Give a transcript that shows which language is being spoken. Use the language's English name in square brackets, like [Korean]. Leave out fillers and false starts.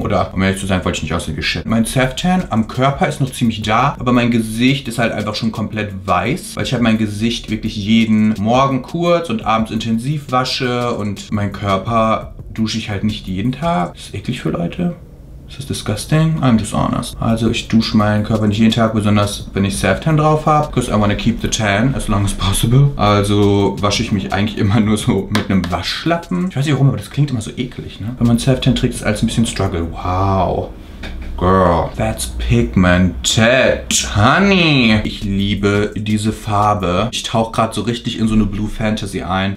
[German] Oder, um ehrlich zu sein, wollte ich nicht aussehen wie Shit. Mein Saftan am Körper ist noch ziemlich da, aber mein Gesicht ist halt einfach schon komplett weiß. Weil ich habe mein Gesicht wirklich jeden Morgen kurz und abends intensiv wasche. Und mein Körper dusche ich halt nicht jeden Tag. Ist eklig für Leute. Das ist disgusting. [English] I'm just honest. [German] Also ich dusche meinen Körper nicht jeden Tag, besonders wenn ich Saftan drauf habe. [English] Because I wanna keep the tan as long as possible. [German] Also wasche ich mich eigentlich immer nur so mit einem Waschlappen. Ich weiß nicht warum, aber das klingt immer so eklig, ne? Wenn man Saftan trägt, ist alles ein bisschen struggle. Wow. [English] Girl, that's pigmented, honey. [German] Ich liebe diese Farbe. Ich tauche gerade so richtig in so eine Blue Fantasy ein.